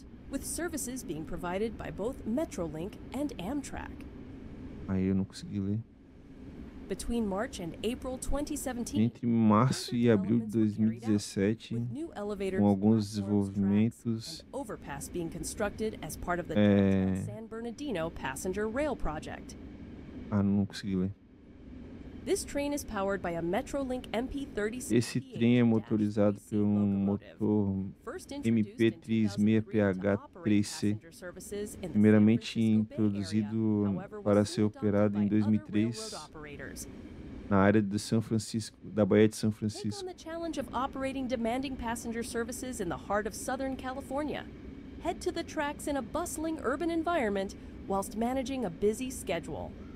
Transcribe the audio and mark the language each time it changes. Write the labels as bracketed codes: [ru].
[en] With services being provided by both Metrolink and Amtrak. [pt] Aí eu não consegui ler. [en] Between March and April 2017, [pt] entre março e abril de 2017, com alguns desenvolvimentos, [en] overpass being constructed as part of the San Bernardino passenger rail project. [pt] Ah, não consegui ler. [en] This train is powered by a Metrolink MP36. [pt] Esse trem é motorizado por um motor MP36PH3C, primeiramente introduzido para ser operado em 2003 na área de São Francisco, da Baía de São Francisco. [en] Take on the challenge of operating demanding passenger services in the heart of Southern California. Head to the tracks in a bustling urban environment whilst managing a busy schedule.